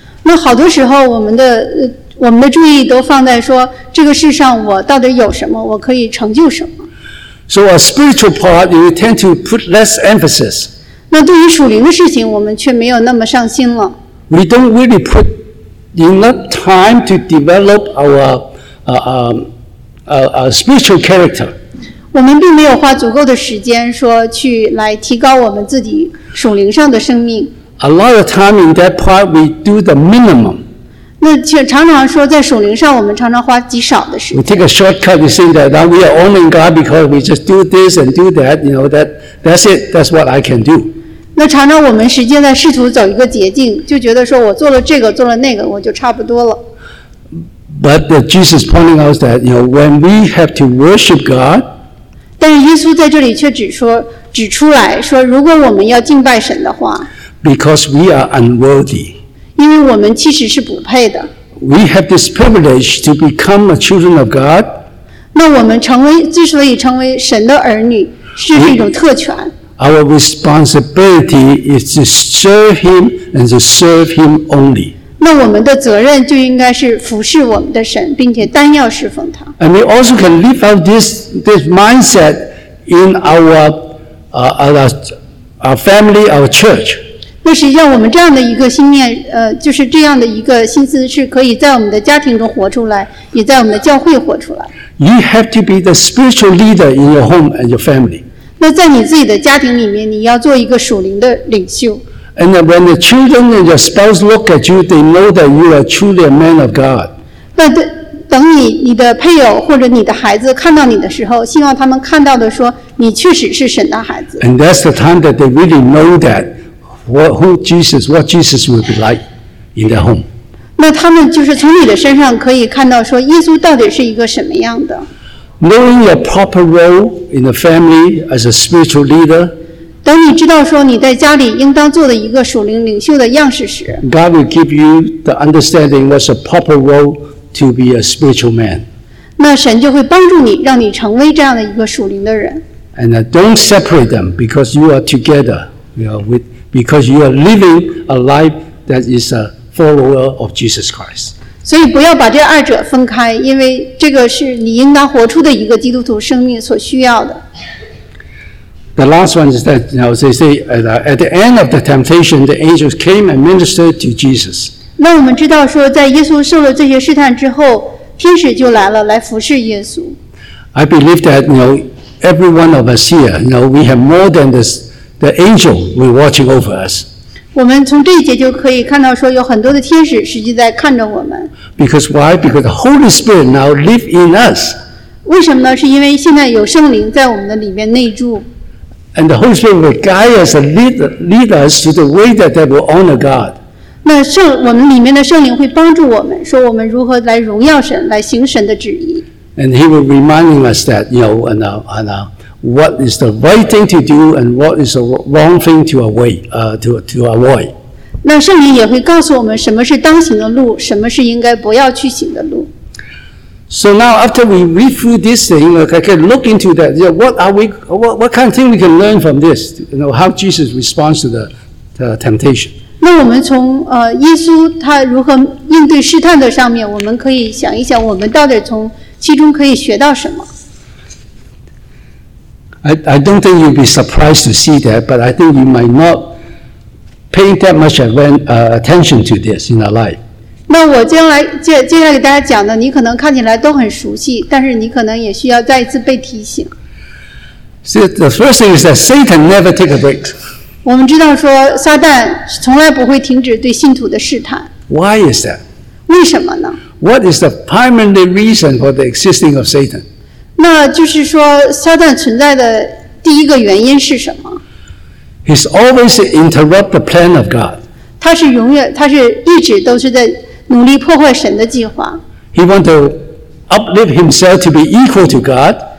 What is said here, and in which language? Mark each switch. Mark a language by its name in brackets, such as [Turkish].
[Chinese] 那好多时候我们的注意都放在说这个世上我到底有什么，我可以成就什么。 [English] So our spiritual part, we tend to put less emphasis. [Chinese] 那对于属灵的事情，我们却没有那么上心了。 [English] We don't really put enough time to develop our spiritual character. [Chinese] 我们并没有花足够的时间说去来提高我们自己属灵上的生命。 [English] A lot of time in that part, we do the minimum. [Chinese] 那常常说在属灵上我们常常花极少的时间。 [English] We take a shortcut, we say that now we are honoring God because we just do this and do that, you know, that's it, that's what I can do. [Chinese] 那常常我们实际在试图走一个捷径就觉得说我做了这个做了那个我就差不多了。 [English] But Jesus pointing out that, you know, when we have to worship God, [Chinese] 但耶稣在这里却指出来说如果我们要敬拜神的话 [English] because we are unworthy. [Chinese] 因为我们其实是不配的。 [English] We have this privilege to become a children of God. [Chinese] 那我们之所以成为神的儿女，是一种特权。 [English] Our responsibility is to serve Him and to serve Him only. [Chinese] 那我们的责任就应该是服侍我们的神，并且单要侍奉他。 [English] And we also can live out this mindset in our family, our church. [Chinese] 那实际上我们这样的一个心念就是这样的一个心思是可以在我们的家庭中活出来也在我们的教会活出来。 [English] You have to be the spiritual leader in your home and your family. [Chinese] 那在你自己的家庭里面你要做一个属灵的领袖。 [English] And when the children and your spouse look at you, they know that you are truly a man of God. [Chinese] 那等你的配偶或者你的孩子看到你的时候希望他们看到的说你确实是神的孩子。 [English] And that's the time that they really know that. What Jesus would be like in their home. [Chinese] 那他们就是从你的身上可以看到说耶稣到底是一个什么样的。 [English] Knowing your proper role in the family as a spiritual leader. [Chinese] 当你知道说你在家里应当做的一个属灵领袖的样式时。 [English] God will give you the understanding what's a proper role to be a spiritual man. [Chinese] 那神就会帮助你让你成为这样的一个属灵的人。 [English] And don't separate them because you are together. You are withBecause you are living a life that is a follower of Jesus Christ. [Chinese] 所以不要把这二者分开，因为这个是你应当活出的一个基督徒生命所需要的。 [English] The last one is that, you know, they say at the end of the temptation, the angels came and ministered to Jesus. [Chinese] 那我们知道说，在耶稣受了这些试探之后，天使就来了，来服侍耶稣。 [English] I believe that, you know, every one of us here, you know, we have more than this. The angel will watching over us. [Chinese] 我们从这一节就可以看到说有很多的天使实际在看着我们。 [English] Because why? Because the Holy Spirit now lives in us. [Chinese] 为什么呢？是因为现在有圣灵在我们的里面内住。 [English] And the Holy Spirit will guide us and lead us to the way that will honor God. [Chinese] 那我们里面的圣灵会帮助我们说我们如何来荣耀神来行神的旨意。 [English] And he will reminding us that, you know, and what is the right thing to do and what is the wrong thing to avoid. [Chinese] 那圣灵也会告诉我们什么是当行的路什么是应该不要去行的路。 [English] So now after we read through this thing, like I can look into that, you know, what kind of thing we can learn from this, you know, how Jesus responds to the temptation. [Chinese] 那我们从耶稣他如何应对试探的上面我们可以想一想我们到底从其中可以学到什么。 [English] I don't think you'll be surprised to see that, but I think you might not paying that much attention to this in our life. [Chinese] 那我将来接下来给大家讲的，你可能看起来都很熟悉，但是你可能也需要再一次被提醒。 [English] So the first thing is that Satan never takes a break. [Chinese] 我们知道说撒旦从来不会停止对信徒的试探。 [English] Why is that? [Chinese] 为什么呢？ [English] What is the primary reason for the existing of Satan? [Chinese] 那就是说撒旦存在的第一个原因是什么？ [English] He's always interrupt the plan of God. [Chinese] 他是一直都是在努力破坏神的计划。 [English] He want to uplift himself to be equal to God.